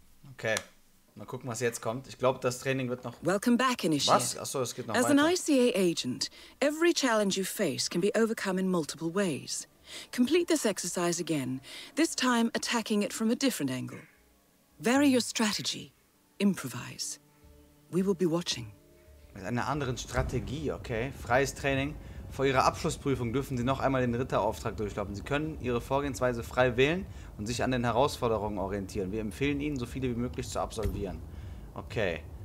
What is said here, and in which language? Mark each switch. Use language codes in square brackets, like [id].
[de] Okay, mal gucken, was jetzt kommt. Ich glaube, das Training wird noch... [en] Welcome back, Initiate. [de] Was? Achso, es geht noch [en] As [de] weiter. [en] An ICA agent, every challenge you face can be overcome in multiple ways. Complete this exercise again, this time attacking it from a different angle. Vary your strategy. Improvise. We will be watching. [de] Mit einer anderen Strategie, okay. Freies Training. Vor Ihrer Abschlussprüfung dürfen Sie noch einmal den Ritterauftrag durchlaufen. Sie können Ihre Vorgehensweise frei wählen und sich an den Herausforderungen orientieren. Wir empfehlen Ihnen, so viele wie möglich zu absolvieren. Okay.